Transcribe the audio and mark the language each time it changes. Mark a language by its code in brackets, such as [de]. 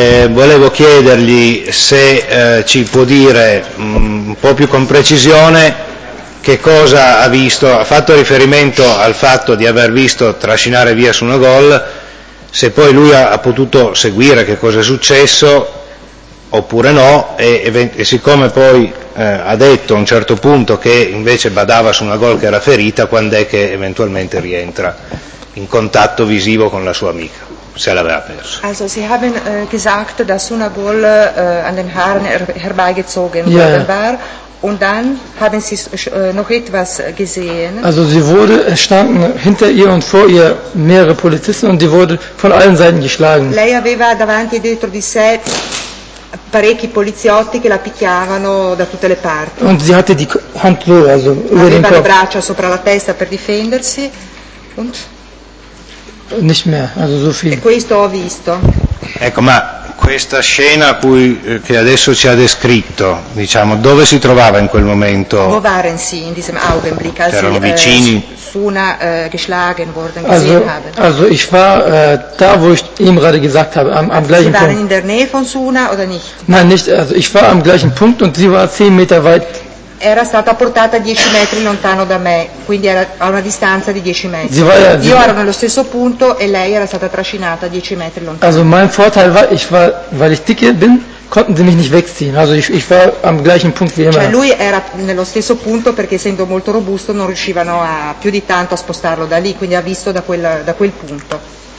[it] Volevo chiedergli se ci può dire un po' più con precisione che cosa ha visto, ha fatto riferimento al fatto di aver visto trascinare via su una gol, se poi lui ha potuto seguire che cosa è successo oppure no, e siccome poi ha detto a un certo punto che invece badava su una gol che era ferita, quando è che eventualmente rientra in contatto visivo con la sua amica. [de] Also Sie haben gesagt, dass Suna Bol an den Haaren herbeigezogen war, und dann haben Sie noch etwas gesehen. Also sie wurde, es standen hinter ihr und vor ihr mehrere Polizisten und die wurde von allen Seiten geschlagen. [it] Lei aveva davanti e dietro di sé parecchi poliziotti che la picchiavano da tutte le parti. [de] Und sie hatte die Hand so, also [it] aveva le braccia sopra la testa per difendersi. [de] Und? Nicht mehr, also so viel. [it] E questo ho visto. Ecco, ma questa scena che adesso ci ha descritto, diciamo, dove si trovava in quel momento? [de] Wo waren sie in diesem Augenblick, als sie [it] vicini? [de] Suna geschlagen worden, also, gesehen haben. Also ich war da, wo ich ihm gerade gesagt habe, am gleichen Punkt. Sie waren in der Nähe von Suna oder nicht? Nein, nicht, also ich war am gleichen Punkt und sie war 10 Meter weit. [it] Era stata portata 10 metri lontano da me, quindi era a una distanza di 10 metri. [de] Sie war ja, [it] io ero nello stesso punto e lei era stata trascinata 10 metri lontano. [de] Also mein Vorteil war, ich war, weil ich dicke bin, konnten sie mich nicht wegziehen. Also ich war am gleichen Punkt wie immer. [it] Cioè lui era nello stesso punto perché essendo molto robusto non riuscivano a più di tanto a spostarlo da lì, quindi ha visto da quel punto.